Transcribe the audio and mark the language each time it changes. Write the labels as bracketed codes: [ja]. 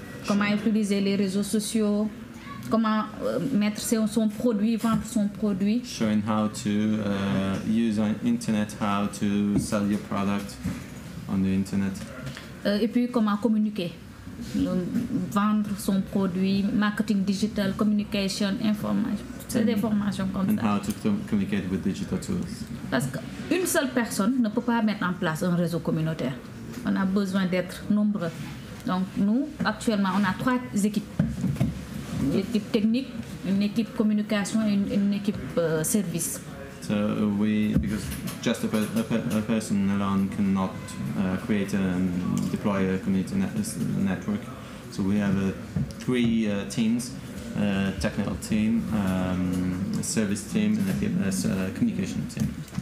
[fr] Comment utiliser les réseaux sociaux, comment mettre son produit, vendre son produit. [en] Showing how to use on internet, how to sell your product on the internet. [fr] Et puis comment communiquer, vendre son produit, marketing digital, communication, information. C'est des formations comme [en] and [fr] ça. [en] And how to communicate with digital tools. [fr] Parce qu'une seule personne ne peut pas mettre en place un réseau communautaire. On a besoin d'être nombreux. Donc nous, actuellement, on a trois équipes. Une équipe technique, une équipe communication et une équipe service. [en] So we, because just a person alone cannot create and deploy a community network. So we have three teams, technical team, service team, and communication team.